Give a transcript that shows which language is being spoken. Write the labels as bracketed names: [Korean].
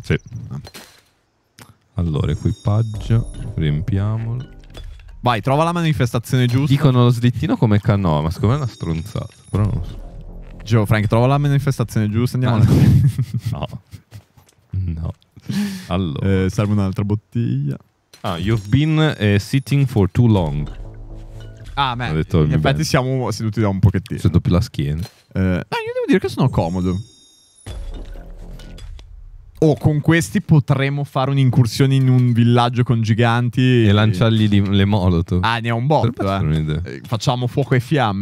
[Italian] Sì. Allora, equipaggio. Riempiamolo. Vai, trova la manifestazione giusta. Dicono lo slittino come canoa, ma secondo me è una stronzata. Però non lo so. Joe, Frank, trova la manifestazione giusta. Andiamo. No. No. Allora. Serve un'altra bottiglia. [English] Ah, you've been sitting for too long. [Italian] Ah, beh. In effetti, siamo seduti da un pochettino. Sento più la schiena. Io devo dire che sono comodo. Oh, con questi potremmo fare un'incursione in un villaggio con giganti. E lanciargli le molotov. Ah, ne ha un botto, facciamo fuoco e fiamme.